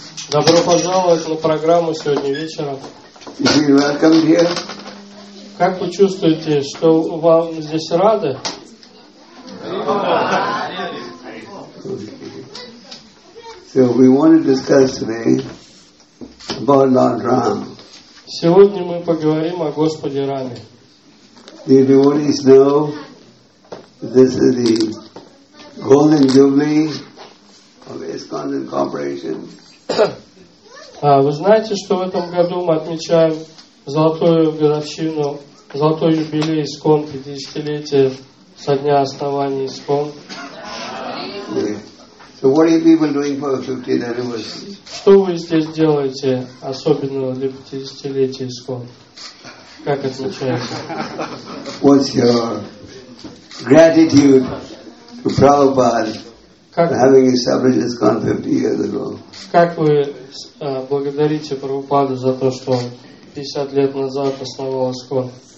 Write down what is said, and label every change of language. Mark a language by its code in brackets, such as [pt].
[ru] Добро пожаловать на программу сегодня вечером. [en] You welcome here? [ru] Как вы чувствуете, что вам здесь рады? [en] So we want to discuss today about Lord Ram. [ru] Сегодня мы поговорим о Господе Раме. [en] The devotees know this is the golden jubilee of ISKCON Corporation. [ru] Вы знаете, что в этом году мы отмечаем золотую годовщину, золотой юбилей ISKCON, 50-летие со дня основания ISKCON. [en] So what are you people doing for 50th anniversary? [ru] Что вы здесь делаете особенного для 50-летия ISKCON? Как отмечается? [en] What's your gratitude to Prabhupada for having established ISKCON 50 years ago? [ru] Как вы благодарите Прабхупаду за то, что он 50 лет назад основал ISKCON?